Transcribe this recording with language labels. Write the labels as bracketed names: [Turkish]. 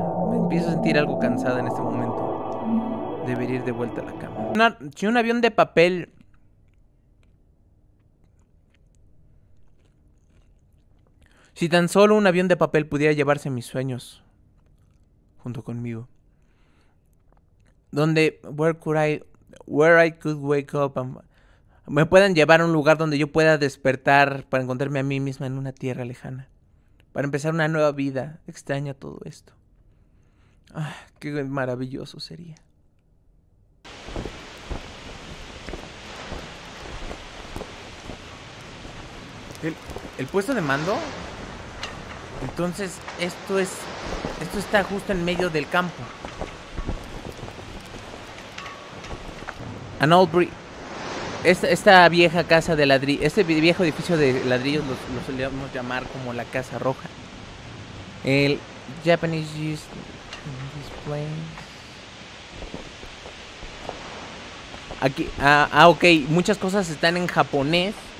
[Spanish] Me empiezo a sentir algo cansada en este momento. Debería ir de vuelta a la cama. Si un avión de papel... si tan solo un avión de papel pudiera llevarse mis sueños junto conmigo. Donde, [English] where I could wake up. [Spanish] Me puedan llevar a un lugar donde yo pueda despertar para encontrarme a mí misma en una tierra lejana. Para empezar una nueva vida. Extraña todo esto. Ah, qué maravilloso sería. ¿El puesto de mando? Entonces, esto está justo en medio del campo. [English] An old brick. [Spanish] Esta vieja casa de ladrillos, este viejo edificio de ladrillos lo solíamos llamar como la Casa Roja. El [English] Japanese used this place. [Spanish] Aquí, ok, muchas cosas están en japonés.